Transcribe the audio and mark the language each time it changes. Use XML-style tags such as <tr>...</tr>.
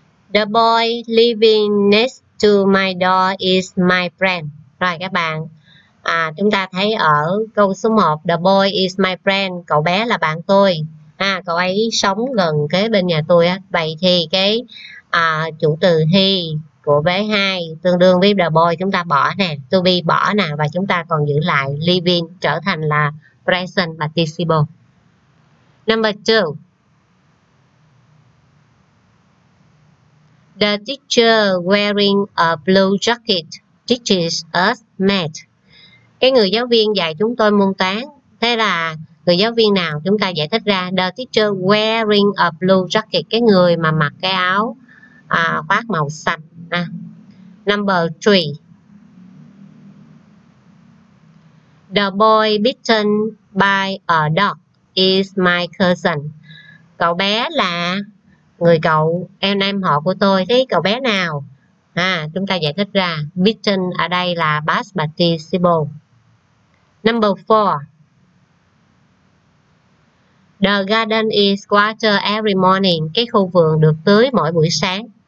<en>The boy living next to my door is my friend.</en> <vi>Rồi các bạn, chúng ta thấy ở câu số 1,</vi> <en>the boy is my friend,</en> <vi>cậu bé là bạn tôi. Cậu ấy sống gần kế bên nhà tôi á. Vậy thì cái chủ từ he của vế 2 tương đương với the boy chúng ta bỏ nè, to be bỏ nè, và chúng ta còn giữ lại living trở thành là present participle.</vi> <en>Number 2. The teacher wearing a blue jacket teaches us math.</en> <vi>Cái người giáo viên dạy chúng tôi môn toán. Thế là người giáo viên nào? Chúng ta giải thích ra.</vi> <en>The teacher wearing a blue jacket.</en> <vi>Cái người mà mặc cái áo khoác màu xanh.</vi> <en>Number 3. The boy bitten by a dog is my cousin.</en> <vi>Cậu bé là người cậu, em họ của tôi. Thế cậu bé nào? Chúng ta giải thích ra.</vi> <en>Bitten</en> <vi>ở đây là</vi> <en>past participle. Number 4. The garden is watered every morning.</en> <vi>Cái khu vườn được tưới mỗi buổi sáng.</vi>